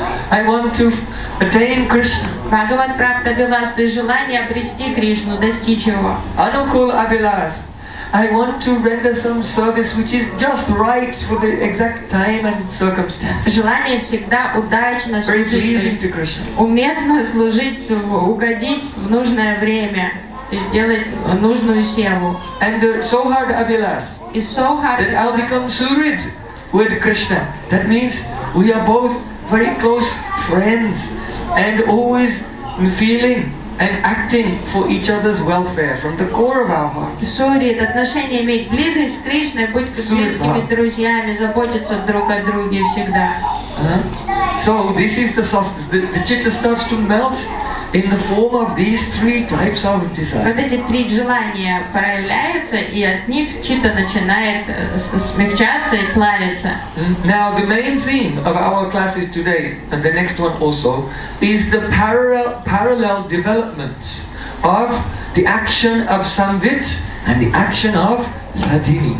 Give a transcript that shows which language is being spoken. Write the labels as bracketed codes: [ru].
[en] I want to attain Krishna. [ru] Bhagavat prapt abhilas, то есть желание обрести Кришну, достичь его. [sa] Anukul abhilas. [en] I want to render some service which is just right for the exact time and circumstances. [ru] Желание всегда удачно служить. [en] Very pleasing to Krishna. [ru] Уместно служить, угодить в нужное время. И сделать нужную севу. [en] And the Sohard Abhilas. Is so hard that I'll become Surid with Krishna. That means we are both very close friends and always feeling and acting for each other's welfare from the core of our hearts. [ru] Surid, отношения иметь близость с Кришной, быть близкими друзьями, заботиться друг о друге всегда. [en] So this is the soft, the chitta starts to melt in the form of these three types of desire. [ru] Вот эти три желания проявляются, и от них чита начинает смягчаться и плавиться. [en] Now the main theme of our classes today and the next one also is the parallel development of the action of samvit and the action of ladini.